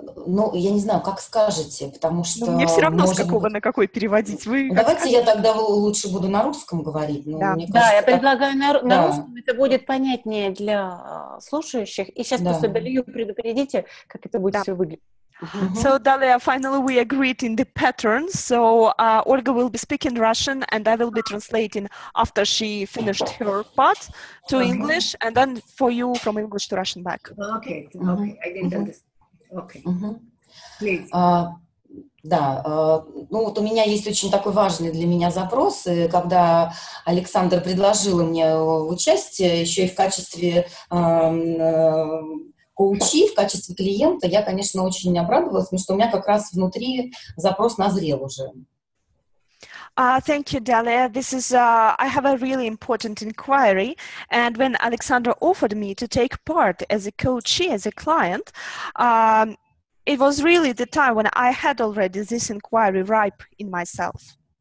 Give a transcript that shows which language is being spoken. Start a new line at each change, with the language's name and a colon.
Russian: Ну, я не знаю, как скажете, потому что... Мне все равно, с какого быть... на какой переводить. Вы давайте я тогда лучше буду на русском говорить. Ну, да, мне кажется, я предлагаю на русском, это будет понятнее для слушающих. И сейчас просто Далию предупредите, как это будет все выглядеть.
English: So, Dalia, finally we agreed in the pattern. So, Olga will be speaking Russian and I will be translating after she finished her part to English and then for you from English to Russian back. Okay, I didn't understand. Okay. Please.
Russian: Да, ну вот у меня есть очень такой важный для меня запрос, и когда Александр предложил мне участие еще и в качестве коучи, в качестве клиента, я, конечно, очень обрадовалась, потому что у меня как раз внутри запрос назрел уже.
English: Thank you, Dalia. This is, I have a really important inquiry. And when Alexander offered me to take part as a coachee, as a client, it was really the time when I had already this inquiry ripe in myself.